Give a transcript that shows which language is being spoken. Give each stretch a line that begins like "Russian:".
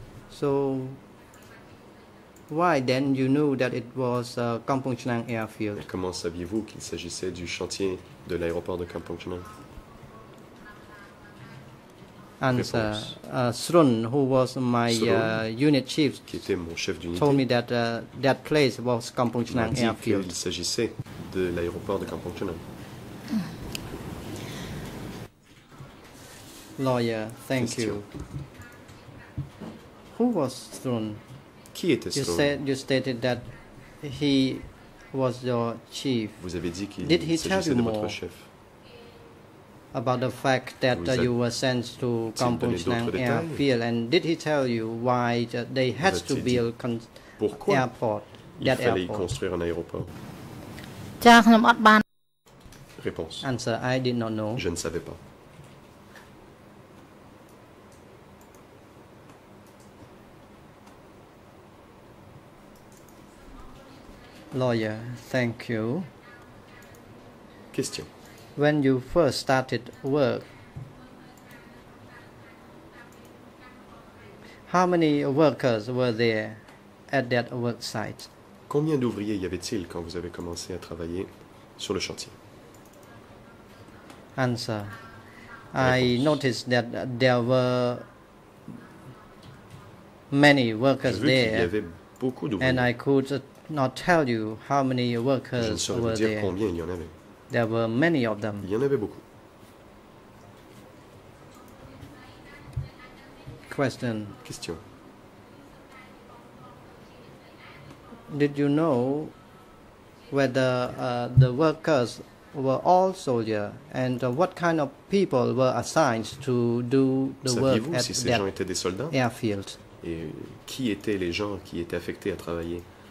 English: So, why then you knew that it was Kampong Chenang airfield?
French: Comment saviez-vous qu'il s'agissait du chantier de l'aéroport de Kampong Chenang?
English: Answer. Srun, who was my unit chief,
French: qui était mon chef d'unité,
English: told me that that place was Kampong Chenang airfield.
French: Qu'il s'agissait de l'aéroport de Kampong Chenang.
English: Lawyer, thank you. Who was Srun?
French: Qui était Srun?
English: You stated that he was your chief.
French: Vous avez dit qu'il s'agissait de votre chef.
English: About the fact that you were sent to Kampong Chenang airfield, and did he tell you why they had to build an airport? That airport.
French: Il fallait y construire un aéroport. Réponse.
English: Answer: I did not know.
French: Je ne savais pas.
English: Lawyer, thank you. Question. When you first started work, how many workers were there at that work site?
French: Combien d'ouvriers y avait-il quand vous avez commencé à travailler sur le chantier?
English: Answer.
French: Réponse.
English: I noticed that there were many workers there.
French: Y avait beaucoup d'ouvriers.
English: And I could not tell you how many workers were there.
French: Combien il y en avait.
English: There were many of them.
French: Il y en avait beaucoup.
English: Question. Did you know whether the workers were all soldiers and what kind of people were assigned to do the work
French: si
English: at
French: ces gens étaient des soldats?
English: Airfield.
French: Et qui étaient les gens qui étaient affectés à travailler?